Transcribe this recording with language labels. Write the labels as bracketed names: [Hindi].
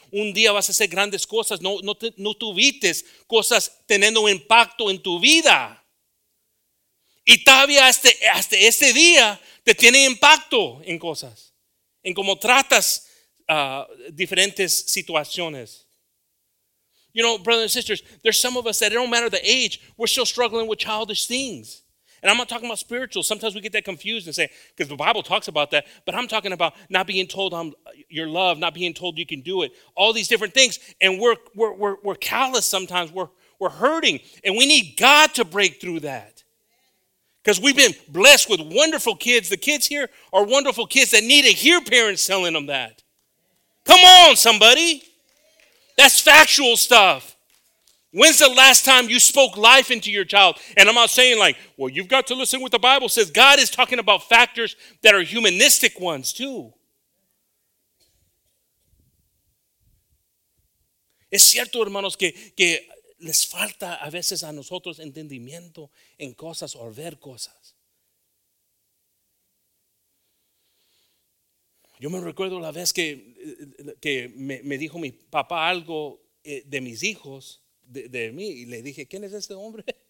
[Spanish] Un día vas a hacer grandes cosas. No tuviste cosas teniendo un impacto en tu vida. Y todavía hasta ese día te tiene impacto en cosas, en cómo tratas diferentes situaciones. [English] You know, brothers and sisters, there's some of us that it don't matter the age, we're still struggling with childish things. And I'm not talking about spiritual. Sometimes we get that confused and say, because the Bible talks about that. But I'm talking about not being told your love, not being told you can do it. All these different things. And we're callous sometimes. We're hurting. And we need God to break through that. Because we've been blessed with wonderful kids. The kids here are wonderful kids that need to hear parents telling them that. Come on, somebody. That's factual stuff. When's the last time you spoke life into your child? And I'm not saying like, well, you've got to listen to what the Bible says. God is talking about factors that are humanistic ones too. [Spanish] Es cierto, hermanos, que les falta a veces a nosotros entendimiento en cosas o ver cosas. Yo me recuerdo la vez que me dijo mi papá algo de mis hijos, de mí, y le dije, ¿quién es este hombre?